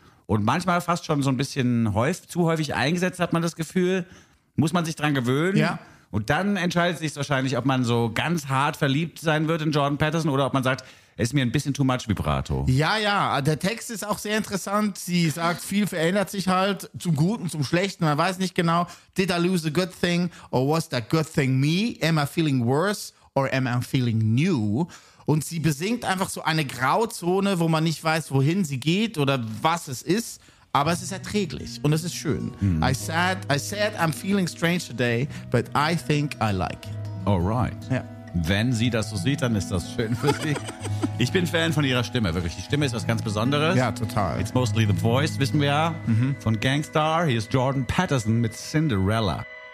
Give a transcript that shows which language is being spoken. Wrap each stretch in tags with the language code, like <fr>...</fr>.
<de>Und manchmal fast schon so ein bisschen zu häufig eingesetzt, hat man das Gefühl. Muss man sich dran gewöhnen. Ja. Und dann entscheidet sich wahrscheinlich, ob man so ganz hart verliebt sein wird in Jordan Peterson oder ob man sagt, ist mir ein bisschen</de> <en>too much</en> <de>Vibrato. Ja, ja. Der Text ist auch sehr interessant. Sie sagt, viel verändert sich halt zum Guten, zum Schlechten. Man weiß nicht genau,</de> <en>did I lose a good thing or was that good thing me? Am I feeling worse or am I feeling new?</en> <de>Und sie besingt einfach so eine Grauzone, wo man nicht weiß, wohin sie geht oder was es ist. Aber es ist erträglich und es ist schön. Hm.</de> <en>I said I'm feeling strange today, but I think I like it. Alright.</en> <de>Ja. Wenn sie das so sieht, dann ist das schön für sie. Ich bin Fan von ihrer Stimme, wirklich. Die Stimme ist was ganz Besonderes. Ja, total.</de> <en>It's mostly the voice,</en> <de>wissen wir ja. Mhm. Von Gangstar, hier ist Jordan Peterson mit Cinderella.</de>